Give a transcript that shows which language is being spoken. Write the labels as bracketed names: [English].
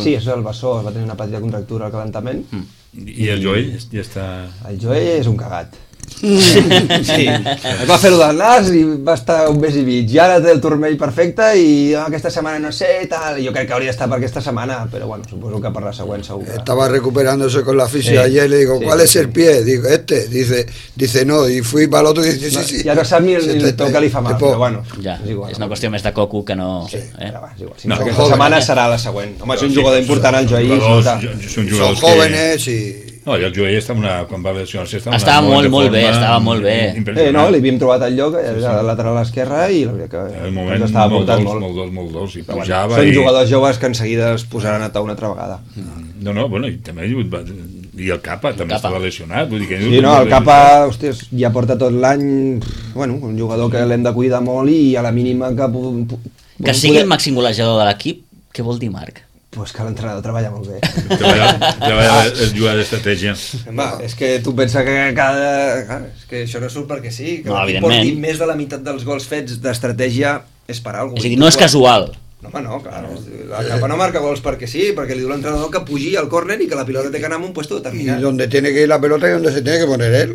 [Catalan] Sí, és el bassó, va tenir una petita contractura al calentament. Mm. I el Joel ja està... El Joel és un cagat. Sí. Va fer-ho del nas i va estar un mes i mig, i ara té el turmell perfecte i aquesta setmana no sé, tal, jo crec que hauria d'estar per aquesta setmana, però bueno, suposo que per la següent segur. Estava [Spanish] recuperándose con la fisio, sí. Ayer le digo, sí, ¿cuál sí, es sí. El pie? Digo, este, dice no, y fui para el otro y dice, sí. [Catalan] Ja no sap ni el toc que li fa mal, tipo, però bueno, ja, és igual. És una qüestió més de coco que no... Sí, eh? Però va, és igual, si no, aquesta [Spanish] joven. [Catalan] Setmana serà la següent. Home, és un jugador important, el Joel. Són [Spanish] jóvenes i... [Catalan] No, el Joel està una, quan va lesionar-se, estava molt, molt, molt bé, estava molt bé. No, li havíem trobat el lloc, era sí. Lateral esquerre i la veritat que moment, ens estava portant molt. Molt dolç, molt dolç, i pujava. Són i... jugadors joves que en seguida es posaran a taula una altra vegada. No, bueno, i també i el Capa també Capa. Estava lesionat. Vull dir que sí, no, el Capa, hòsties, ja porta tot l'any, bueno, un jugador que l'hem de cuidar molt i a la mínima que... Que sigui poder... el màxim golejador de l'equip, què vol dir, Marc? Pues que l'entrenador treballa molt bé. Treballa el jugador d'estratègia. Va, és que tu pensa que cada... És que això no surt perquè sí. Que no, evidentment. Porti més de la meitat dels gols fets d'estratègia és per alguna cosa. És a dir, no és casual. No, home, no, clar. La Capa no marca gols perquè sí, perquè li diu l'entrenador que pugi al córner i que la pilota té que anar en un puesto determinat. [Spanish] I donde tiene que ir la pelota y donde se tiene que poner él.